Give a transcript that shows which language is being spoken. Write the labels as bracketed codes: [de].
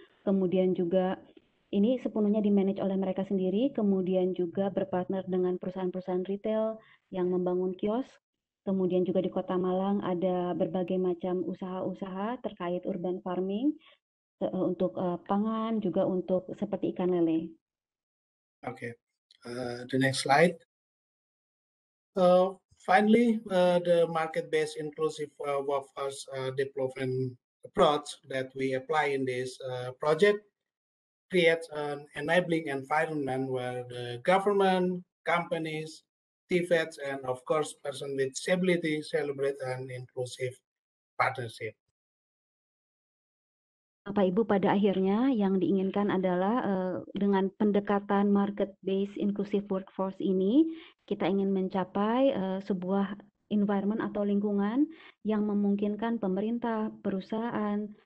[id] Kemudian juga ini sepenuhnya dimanage oleh mereka sendiri, kemudian juga berpartner dengan perusahaan-perusahaan retail yang membangun kios. Kemudian juga di Kota Malang ada berbagai macam usaha-usaha terkait urban farming, untuk pangan, juga untuk seperti ikan lele. [en] Okay, the next slide. Finally, the market-based inclusive workforce development approach that we apply in this project creates an enabling environment where the government, companies, TVETs, and of course, persons with disability celebrate an inclusive partnership. [id] Bapak Ibu, pada akhirnya yang diinginkan adalah dengan pendekatan [en] market-based inclusive workforce [id] ini, kita ingin mencapai sebuah environment atau lingkungan yang memungkinkan pemerintah, perusahaan,